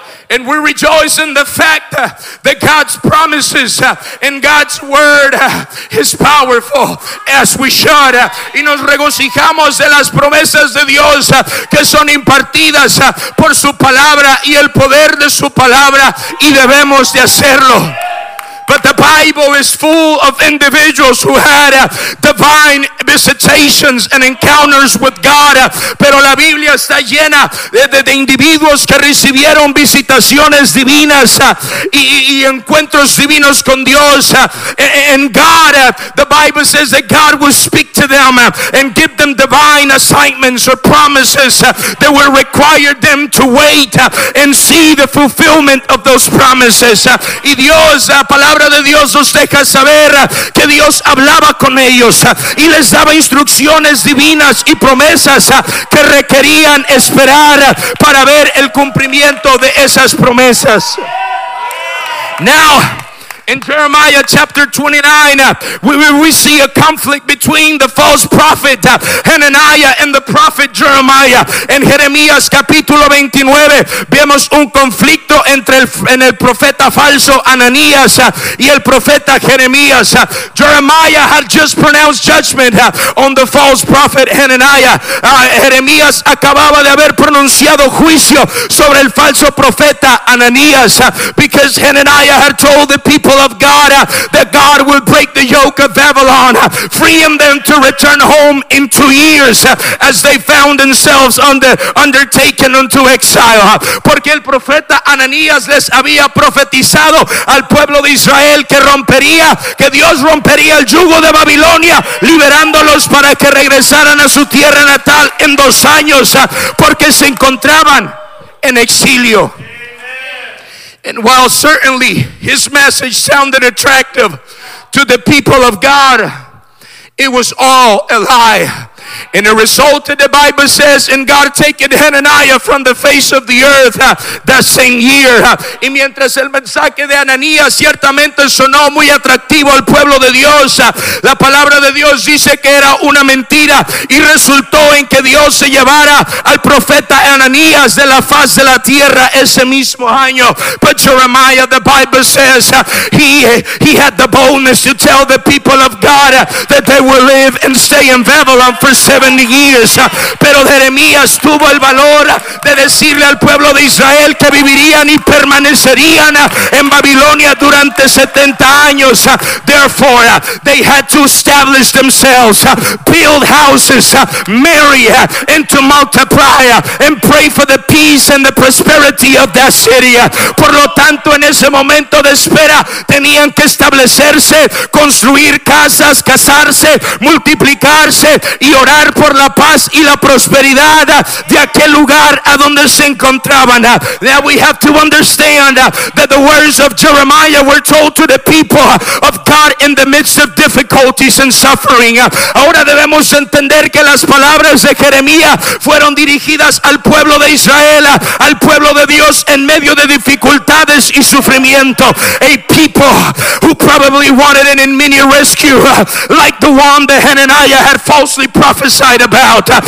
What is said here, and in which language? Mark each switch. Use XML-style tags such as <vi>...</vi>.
<en>And we rejoice in the fact that God's promises and God's word is powerful, as we should.</en> <es>Y nos regocijamos de las promesas de Dios que son impartidas por su palabra y el poder de su palabra, y debemos de hacerlo.</es> <en>But the Bible is full of individuals who had divine visitations and encounters with God.</en> <es>Pero la Biblia está llena de individuos que recibieron visitaciones divinas y encuentros divinos con Dios.</es> <en>And God, the Bible says that God will speak to them and give them divine assignments or promises that will require them to wait and see the fulfillment of those promises.</en> <es>Y Dios, la palabra de Dios nos deja saber que Dios hablaba con ellos y les daba instrucciones divinas y promesas que requerían esperar para ver el cumplimiento de esas promesas.</es> <en>Now, in Jeremiah chapter 29, we see a conflict between the false prophet Hananiah and the prophet Jeremiah.</en> <es>En Jeremías capítulo 29 vemos un conflicto entre el profeta falso Ananías y el profeta Jeremías.</es> <en>Jeremiah had just pronounced judgment on the false prophet Hananiah.</en> <es>Jeremías acababa de haber pronunciado juicio sobre el falso profeta Ananías,</es> <en>because Hananiah had told the people of God that God will break the yoke of Babylon, freeing them to return home in 2 years as they found themselves undertaken unto exile.</en> <es>Porque el profeta Ananías les había profetizado al pueblo de Israel que Dios rompería el yugo de Babilonia, liberándolos para que regresaran a su tierra natal en 2 años, porque se encontraban en exilio.</es> <en>And while certainly his message sounded attractive to the people of God, it was all a lie. And it resulted, the Bible says, in God taking Hananiah from the face of the earth that same year.</en> <es>Y mientras el mensaje de Ananías ciertamente sonó muy atractivo al pueblo de Dios, la palabra de Dios dice que era una mentira, y resultó en que Dios se llevara al profeta Ananías de la faz de la tierra ese mismo año.</es> <en>But Jeremiah, the Bible says, he had the boldness to tell the people of God that they will live and stay in Babylon for 70 years.</en> <es>Pero Jeremías tuvo el valor de decirle al pueblo de Israel que vivirían y permanecerían en Babilonia durante 70 años.</es> <en>Therefore, they had to establish themselves, build houses, marry, and to multiply, and pray for the peace and the prosperity of that city.</en> <es>Por lo tanto, en ese momento de espera, tenían que establecerse, construir casas, casarse, multiplicarse, y orar por la paz y la prosperidad de aquel lugar a donde se encontraban.</es> <en>Now we have to understand that the words of Jeremiah were told to the people of God in the midst of difficulties and suffering.</en> <es>Ahora debemos entender que las palabras de Jeremías fueron dirigidas al pueblo de Israel, al pueblo de Dios en medio de dificultades y sufrimiento.</es> <en>A people who probably wanted an imminent rescue, like the one that Hananiah had falsely prophesied about.</en>